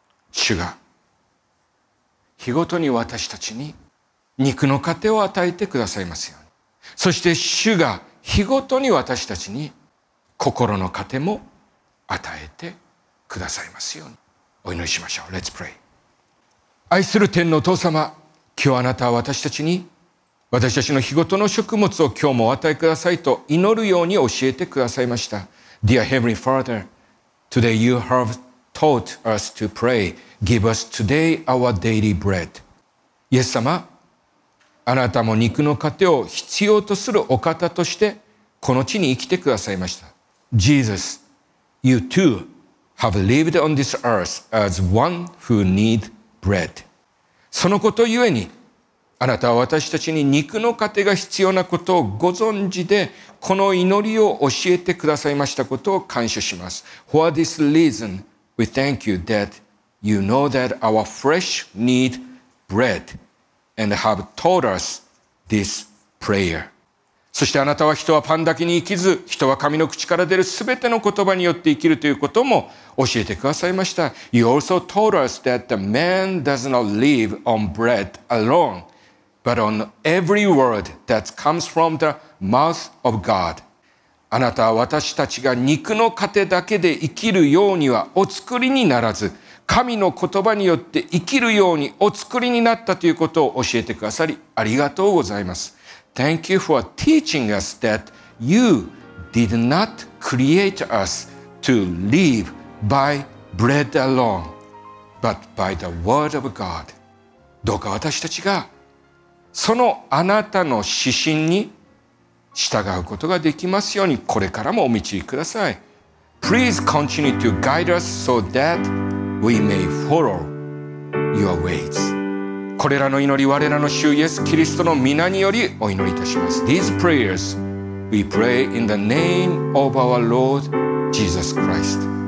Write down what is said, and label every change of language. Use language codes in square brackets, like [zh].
[ja] 主が日ごとに私たちに肉の糧を与えてくださいますように、そして主が日ごとに私たちに心の糧も与えてくださいますように。お祈りしましょう。 [en] Let's pray。 [ja] 愛する天のお父様、今日あなたは私たちに私たちの日ごとの食物を今日もお与えくださいと祈るように教えてくださいました。 [en] Dear Heavenly Father, Today you have taught us to pray. Give us today our daily bread. [ja] イエス様、あなたも肉の糧を必要とするお方としてこの地に生きてくださいました。 [en] Jesus, you too have lived on this earth as one who need bread. [ja] そのことゆえに、あなたは私たちに肉の糧が必要なことをご存知で、この祈りを教えてくださいましたことを感謝します。 [en] For this reason, we thank you that you know that our flesh need bread and have taught us this prayer. [ja] そしてあなたは人はパンだけに生きず、人は神の口から出るすべての言葉によって生きるということも教えてくださいました。 [en] You also told us that the man does not live on bread alone, but on every word that comes from the mouth of God. [ja] あなたは私たちが肉の糧だけで生きるようにはお作りにならず、神の言葉によって生きるようにお作りになったということを教えてくださり、ありがとうございます。 [en] Thank you for teaching us that you did not create us to live by bread alone, but by the word of God. [ja] どうか私たちがそのあなたの指針に従うことができますように、これからもお導きください。 [en] Please continue to guide us so that we may follow your ways. [ja] これらの祈り、我らの主イエス・キリストの御名によりお祈りいたします。 [en] These prayers we pray in the name of our Lord Jesus Christ.